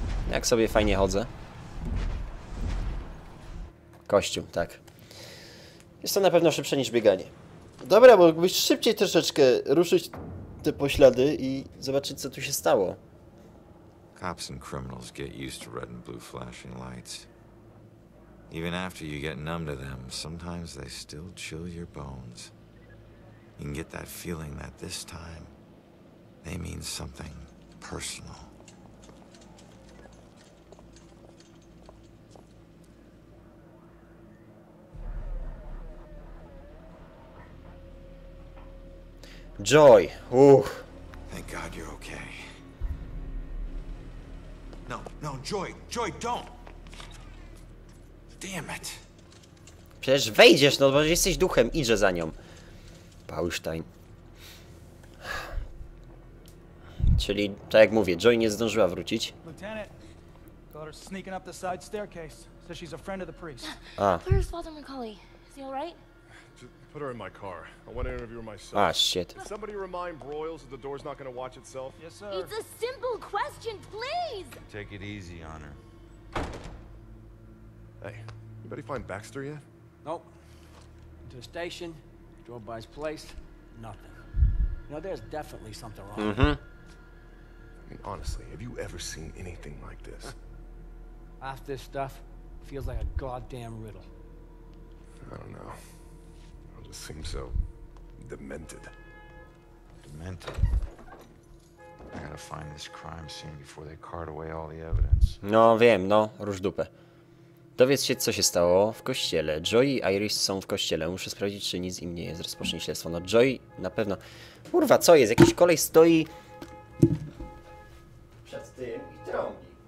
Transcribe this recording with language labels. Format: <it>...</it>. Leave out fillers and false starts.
<pl>Jak sobie fajnie chodzę. Kościół, tak. Jest to na pewno szybsze niż bieganie. Dobra, mógłbyś szybciej troszeczkę ruszyć te poślady i zobaczyć, co tu się stało.</pl> <en>Cops and criminals get used to red and blue flashing lights. Even after you get numb to them, sometimes they still chill your bones. You can get that feeling that this time they mean something personal. Joy. Ooh. Thank God you're okay. No, no, Joy. Joy, don't. Damn it.</en> <pl>Przecież wejdziesz, no bo jesteś duchem, idzie za nią. Paulstein. Czyli tak jak mówię, Joy nie zdążyła wrócić.</pl> <en>daughter's sneaking up the side staircase. Says she's a friend of the priest. Where's Father McCauley? Is he all right? Put her in my car. I want to interview her myself. Shit. Can somebody remind Broyles that the door's not going to watch itself? Yes, sir. It's a simple question, please! Take it easy on her. Hey, anybody find Baxter yet? Nope. Went to the station, drove by his place, nothing. You know, there's definitely something wrong. Mm-hmm. I mean, honestly, have you ever seen anything like this? Half this stuff feels like a goddamn riddle. I don't know. Seems so demented. Demented. I gotta find this crime scene before they cart away all the evidence.</en> <pl>No wiem, no, rusz dupę. Dowiedz się, co się stało w kościele. Joy i Iris są w kościele. Muszę sprawdzić, czy nic im nie jest. Rozpocznij śledztwo. No Joy na pewno. Kurwa, co jest? Jakiś kolej stoi przed tym i trąbi.</pl>